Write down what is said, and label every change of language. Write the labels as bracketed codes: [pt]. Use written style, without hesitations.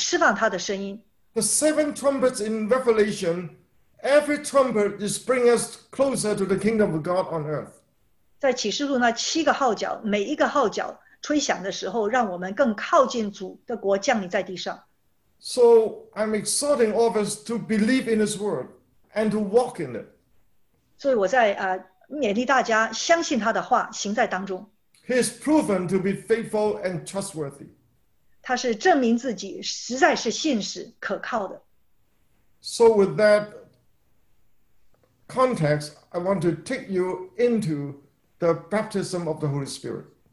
[zh] 来向世代，不同的世代来释放他的声音。The [en] seven trumpets in Revelation, every trumpet is bringing us closer to the kingdom of God on earth. [zh] 在启示录那七个号角，每一个号角。吹响的时候，让我们更靠近主的国降临在地上。So [en] I'm exhorting all of us to believe in His word and to walk in it. [zh] 所以我在勉励大家相信他的话，行在当中。He [en] is proven to be faithful and trustworthy. [zh] 他是证明自己实在是信实可靠的。So [en] with that context, I want to take you into the baptism of the Holy Spirit.